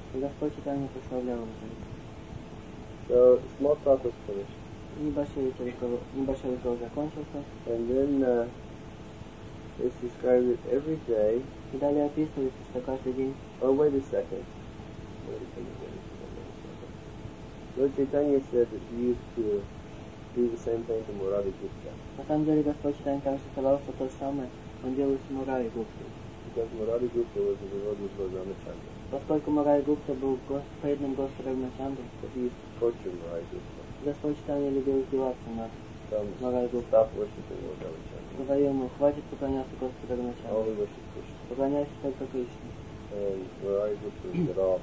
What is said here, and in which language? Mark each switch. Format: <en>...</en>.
<ru>И Господь Чайтанья прославлял его.</ru> <en>So, small talk was finished.</en> <ru>Небольшой ритуал закончился.</ru> <en>And then it's described that every day.</en> <ru>И далее описывается, что каждый день.</ru> <en>Oh, wait a second. Wait a second. Lord Chaitanya said that he used to do the same thing to Murari Gupta.</en> <ru>На самом деле Господь Чайтанья также сказал, что то же самое он делал с Мурари Гупта.</ru> <en>Because Murari Gupta was a devotee of Lord Ramachandra.</en> <ru>Поскольку Мурари Гупта был преданным Господом Ramachandra.</ru> <en>But he used to torture Murari Gupta.</en> <ru>Господь Чайтанья любил издеваться над Махапрабху. Говорил ему, хватит поклоняться Господу Ramachandra. Поклоняйся только Кришне.</ru>